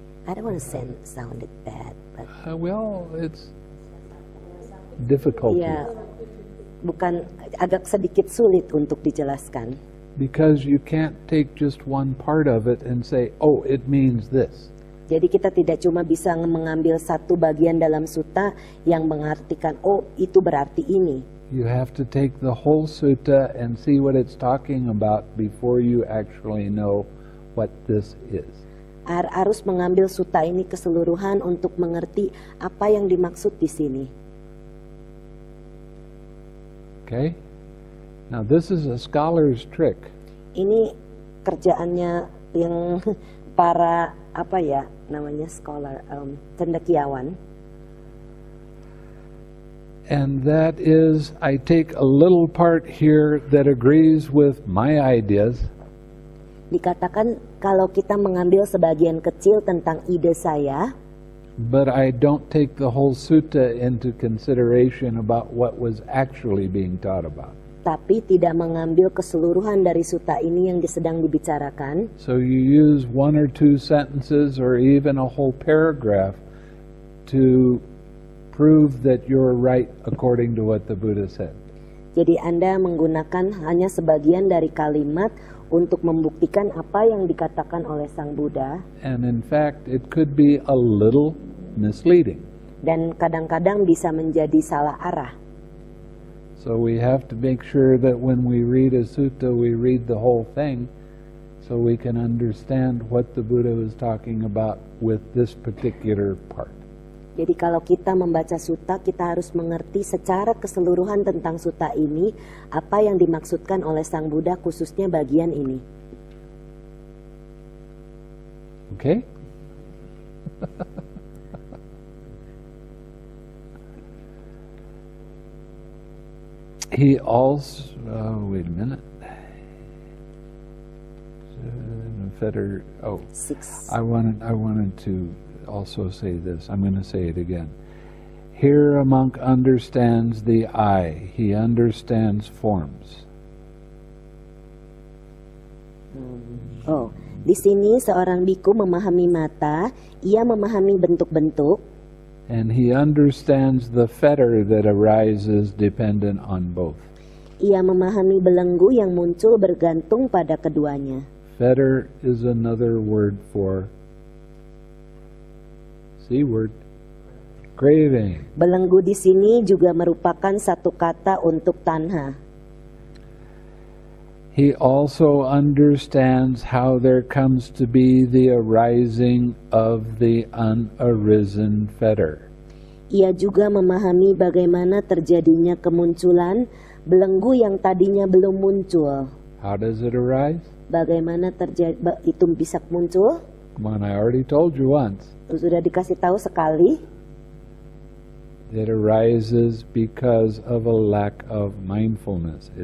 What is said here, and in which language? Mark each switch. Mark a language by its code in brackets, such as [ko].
[en] I don't want to sound it bad, but well, it's difficult. [id] Yeah, bukan agak sedikit sulit untuk dijelaskan. [en] Because you can't take just one part of it and say, oh, it means this. [id] Jadi kita tidak cuma bisa mengambil satu bagian dalam sutta yang mengartikan, oh, itu berarti ini. [en] You have to take the whole sutta and see what it's talking about before you actually know what this is. [id] Harus mengambil sutta ini keseluruhan untuk mengerti apa yang dimaksud di sini. [en] Okay. Now this is a scholar's trick. [id] Ini kerjaannya yang para apa ya namanya scholar, cendekiawan. [en] And that is, I take a little part here that agrees with my ideas. [id] Dikatakan kalau kita mengambil sebagian kecil tentang ide saya, [en] but I don't take the whole sutta into consideration about what was actually being taught about. [id] Tapi tidak mengambil keseluruhan dari sutta ini yang sedang dibicarakan. [en] So you use one or two sentences or even a whole paragraph to prove that you're right according to what the Buddha said. [id] Jadi Anda menggunakan hanya sebagian dari kalimat untuk membuktikan apa yang dikatakan oleh Sang Buddha. [en] And in fact, it could be a little misleading. [id] Dan kadang-kadang bisa menjadi salah arah. [en] So we have to make sure that when we read a sutta, we read the whole thing so we can understand what the Buddha was talking about with this particular part. [id] Jadi kalau kita membaca sutta, kita harus mengerti secara keseluruhan tentang sutta ini, apa yang dimaksudkan oleh Sang Buddha khususnya bagian ini. Oke. [en] Okay. He also, wait a minute. Fetter, oh, six. I wanted to also say this. I'm going to say it again. Here a monk understands the eye. He understands forms. [id] Oh, di sini seorang biku memahami mata. Ia memahami bentuk-bentuk. [en] And he understands the fetter that arises dependent on both. [id] Ia memahami belenggu yang muncul bergantung pada keduanya. [en] Fetter is another word for C word, craving. [id] Belenggu di sini juga merupakan satu kata untuk tanha. [en] He also understands how there comes to be the arising of the unarisen fetter. [id] Ia juga memahami bagaimana terjadinya kemunculan belenggu yang tadinya belum muncul. [en] How does it arise? [id] Bagaimana terjadi itu bisa muncul? [en] Come on, I already told you once. [id] Sudah dikasih tahu sekali. [en] It arises because of a lack of mindfulness.